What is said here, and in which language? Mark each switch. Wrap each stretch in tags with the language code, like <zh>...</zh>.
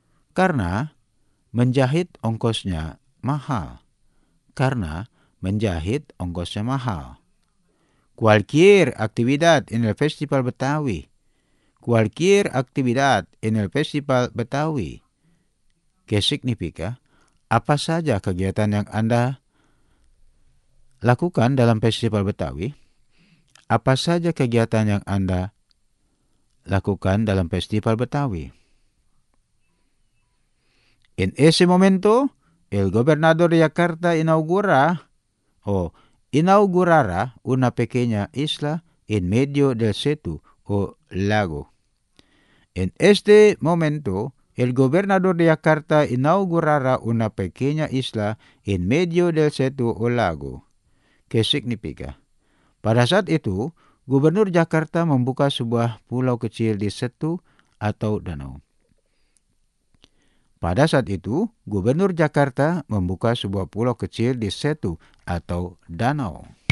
<id>Karena menjahit ongkosnya mahal. Karena menjahit ongkosnya mahal.</id> <es>Cualquier actividad en el Festival Betawi. Cualquier actividad en el Festival Betawi. ¿Qué significa?</es> <id>Apa saja kegiatan yang Anda lakukan dalam Festival Betawi? Apa saja kegiatan yang Anda lakukan dalam Festival Betawi?</id> <es>En ese momento, el gobernador de Jakarta inaugurará una pequeña isla en medio del setu o lago. En este momento, el gobernador de Jakarta inaugurará una pequeña isla en medio del setu o lago. ¿Qué significa?</es> <id>Pada saat itu, Gubernur Jakarta membuka sebuah pulau kecil di setu atau danau. Pada saat itu, Gubernur Jakarta membuka sebuah pulau kecil di setu atau danau.</id>